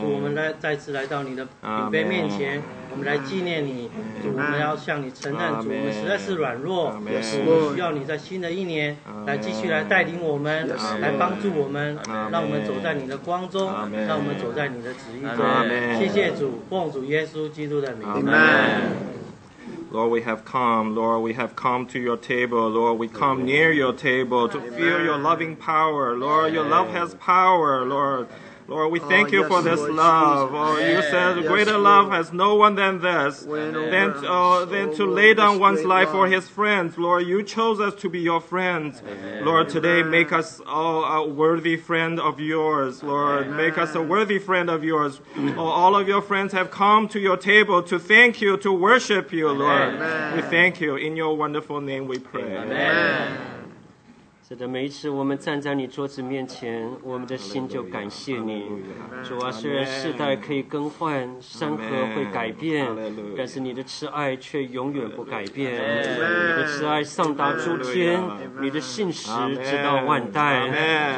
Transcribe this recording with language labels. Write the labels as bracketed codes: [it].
[zh] 主我们来再次来到你的饼杯面前我们来纪念你主我们要向你承认主我们实在是软弱主我们需要你在新的一年来继续来带领我们来帮助我们让我们走在你的光中让我们走在你的旨意中谢谢主奉主耶稣基督的名 [en] Amen Lord, we have come. Lord, we have come to your table. Lord, we come near your table to feel your loving power. Lord, your love has power. Lord, we thank you for this love. Oh, you said greater love has no one than this, than to lay down one's life for his friends. Lord, you chose us to be your friends. Lord, today make us all a worthy friend of yours. Lord, make us a worthy friend of yours. Oh, all of your friends have come to your table to thank you, to worship you, Lord. We thank you. In your wonderful name we pray. Amen. [zh] 是的，每一次我们站在你桌子面前，我们的心就感谢你。主啊，虽然世代可以更换，山河会改变，但是你的慈爱却永远不改变。你的慈爱上达诸天，你的信实直到万代。